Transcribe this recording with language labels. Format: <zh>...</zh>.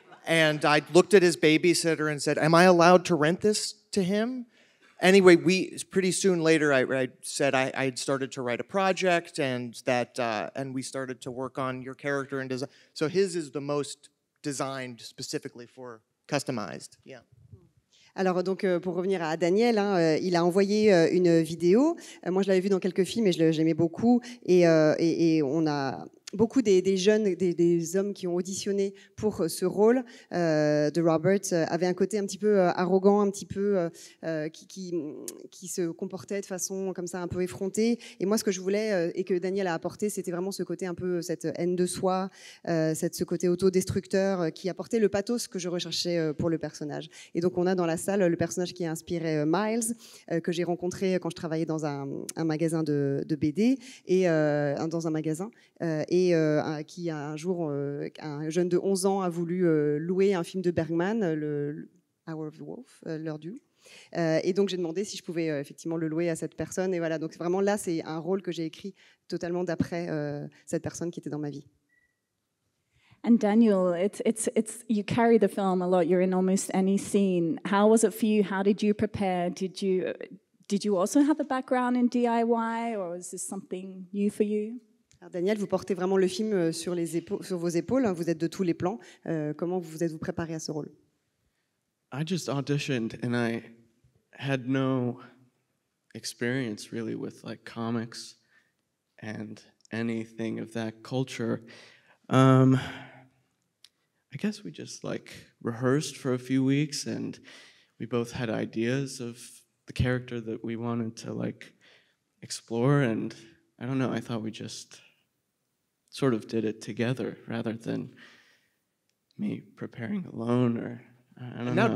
<en>And I looked at his babysitter and said, am I allowed to rent this to him? Anyway, pretty soon later, I said I had started to write a project, and that and we started to work on your character and design. So his is the most designed specifically for customized. Yeah.</en> <fr>Alors donc pour revenir à Daniel, hein, il a envoyé une vidéo. Moi, je l'avais vu dans quelques films et je l'aimais beaucoup. Et on a beaucoup des jeunes, des hommes qui ont auditionné pour ce rôle de Robert avaient un côté un petit peu arrogant, un petit peu qui se comportait de façon comme ça un peu effrontée. Et moi, ce que je voulais et que Daniel a apporté, c'était vraiment ce côté un peu, cette haine de soi, ce côté autodestructeur qui apportait le pathos que je recherchais pour le personnage. Et donc, on a dans la salle le personnage qui a inspiré Miles, que j'ai rencontré quand je travaillais dans un magasin de BD, et dans un magasin. Et qui un jour, un jeune de 11 ans a voulu louer un film de Bergman, le Hour of the Wolf, l'heure du loup. Et donc j'ai demandé si je pouvais effectivement le louer à cette personne. Et voilà, donc vraiment là, c'est un rôle que j'ai écrit totalement d'après cette personne qui était dans ma vie.</fr> <en>And Daniel, it's you carry the film a lot. You're in almost any scene. How was it for you? How did you prepare? Did you also have a background in DIY, or was this something new for you?</en> <fr>Alors Daniel, vous portez vraiment le film sur les épaules, sur vos épaules. Vous êtes de tous les plans. Comment vous êtes-vous préparé à ce rôle?</fr> <en>I just auditioned and I had no experience really with like comics and anything of that culture. I guess we just like rehearsed for a few weeks and we both had ideas of the character that we wanted to like explore, and I don't know, I thought we just sort of did it together rather than me preparing alone or I don't know.</en>